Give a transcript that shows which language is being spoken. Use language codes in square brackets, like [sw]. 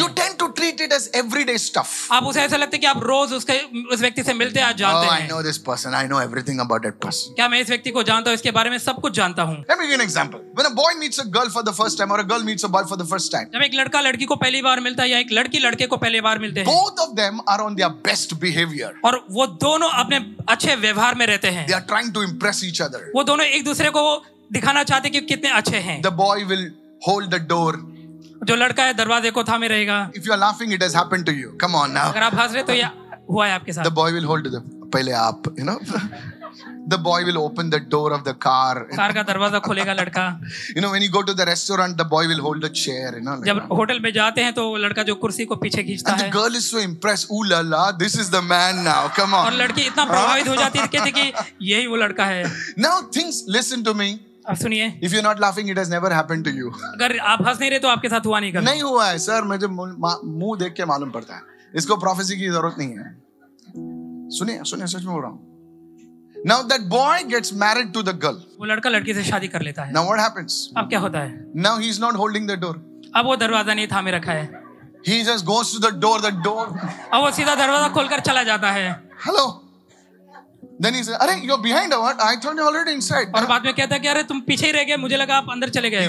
[en] You tend to treat it as everyday stuff. [hi] आप उसे ऐसा लगता है कि आप रोज उसके उस व्यक्ति से मिलते हैं, जानते हैं. [en] Oh, I know this person. I know everything about that person. [hi] क्या मैं इस व्यक्ति को जानता हूँ, इसके बारे में सब कुछ जानता हूँ. [en] Let me give you an example. When a boy meets a girl for the first time or a girl meets a boy for the first time. [hi] जब एक लड़का लड़की को पहली बार मिलता है या एक लड़की लड़के को पहली बार मिलते हैं. [en] Both of them are on their best behavior. [hi] और वो दोनों अपने अच्छे व्यवहार में रहते हैं. [en] They are trying to impress each other. [hi] वो दोनों एक दूसरे को दिखाना चाहते कि कितने अच्छे हैं. [en] The boy will hold the door. [hi] जो लड़का है दरवाजे को थामे रहेगा. [en] If you are laughing, it has happened to you. Come on now. [hi] अगर आप हंस रहे तो ये हुआ है आपके साथ. [en] The boy will hold the [hi] पहले आप, [en] you know. The boy will open the door of the car. [hi] Car का दरवाजा खोलेगा लड़का. [en] You know, when you go to the restaurant, the boy will hold the chair. You know. [hi] जब hotel में जाते हैं तो लड़का जो कुर्सी को पीछे खींचता है. [en] The girl is so impressed. Ooh la la, this is the man now. Come on. [hi] और लड़की इतना प्रभावित हो जाती है कि यही वो लड़का है. [en] Now things, listen to me. [hi] सुनिए. [en] If you're not laughing, it has never happened to you. [hi] अगर आप हंस नहीं रहे तो आपके साथ हुआ नहीं कभी. नहीं हुआ है सर, मुझे मुंह देख के मालूम पड़ता है. इसको प्रोफेसी की जरूरत नहीं है. सुनिए, सच में बोल रहा हूँ. [en] Now that boy gets married to the girl. [hi] वो लड़का लड़की से शादी कर लेता है. [en] Now what happens? [hi] अब क्या होता है? [en] Now he is not holding the door. [hi] अब वो दरवाजा नहीं थामे रखा है. [en] He just goes to the door. [hi] अब वो सीधा दरवाजा खोलकर चला जाता है. [en] Hello. Then he says, "अरे, you're behind or what? I thought you already inside." [hi] और बाद में कहता है कि अरे तुम पीछे ही रह गए, मुझे लगा आप अंदर चले गए.